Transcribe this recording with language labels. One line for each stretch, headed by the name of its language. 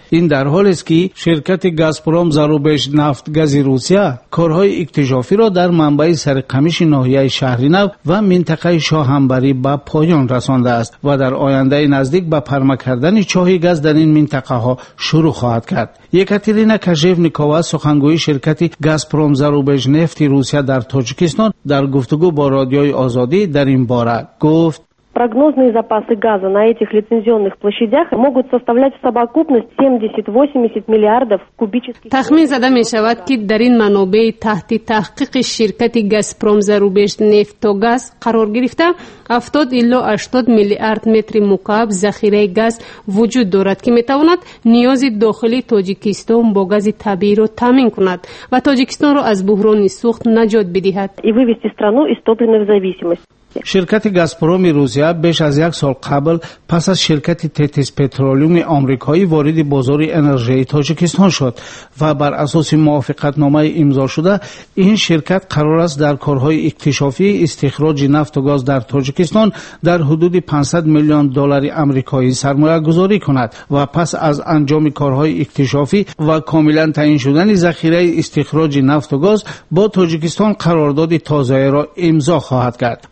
Persian: این در حالی است که شرکت گازپروم زروبیژ نفت گاز روسیه کارهای اکتشافی را در منبع سر قمیش ناحیه شهرینو و منطقه شاهنبری به پایان رسانده است و در آینده نزدیک به پرمه کردن چاه گاز در این منطقه ها شروع خواهد کرد. یکاترینا کاژیونیکوا سخنگوی شرکت گازپروم زروبیژ نفت روسیه در تاجیکستان در گفتگو با رادیوی آزادی در این باره گفت
Russian: прогнозные запасы газа на этих лицензионных площадях могут составлять в совокупности 70-80 миллиардов кубических
Persian: تخمین زده می شود که در این منابع تحت تحقیق شرکت گازپروم زروبیژ نفت و گاز قرار گرفته 70 الا 80 میلیارد متر مکعب ذخیره گاز وجود دارد که می تواند نیاز داخلی تاجیکستان با گاز طبیعی را تامین کند و تاجیکستان را از بحران سوخت نجات بدهد و
Russian: вывести страну из топливной зависимости.
Persian: شرکت گازپروم روسیه بیش از یک سال قبل پس از شرکت تتیس پترولیوم آمریکایی وارد بازار انرژی تاجیکستان شد و بر اساس موافقت نامه امضا شده این شرکت قرار است در کارهای اکتشافی استخراج نفت و گاز در تاجیکستان در حدود 500 میلیون دلار آمریکایی سرمایه گذاری کند و پس از انجام کارهای اکتشافی و کاملا تعیین شدن ذخیره استخراج نفت و گاز با تاجیکستان قرارداد تازه را امضا خواهد کرد.